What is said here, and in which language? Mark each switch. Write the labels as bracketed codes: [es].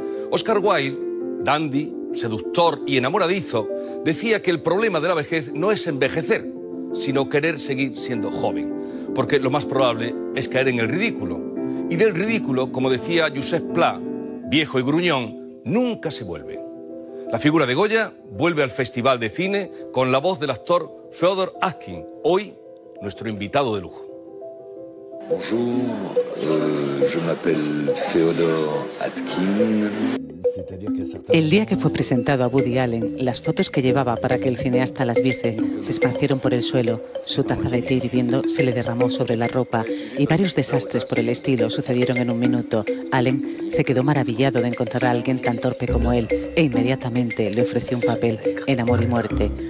[es] Oscar Wilde, dandy, seductor y enamoradizo, decía que el problema de la vejez no es envejecer, sino querer seguir siendo joven, porque lo más probable es caer en el ridículo. Y del ridículo, como decía Josep Pla, viejo y gruñón, nunca se vuelve. La figura de Goya vuelve al Festival de Cine con la voz del actor Fyodor Atkin, hoy nuestro invitado de lujo. [fr] Bonjour, je m'appelle Fyodor Atkin. [es] El día que fue presentado a Woody Allen, las fotos que llevaba para que el cineasta las viese se esparcieron por el suelo. Su taza de té hirviendo se le derramó sobre la ropa y varios desastres por el estilo sucedieron en un minuto. Allen se quedó maravillado de encontrar a alguien tan torpe como él e inmediatamente le ofreció un papel en Amor y Muerte.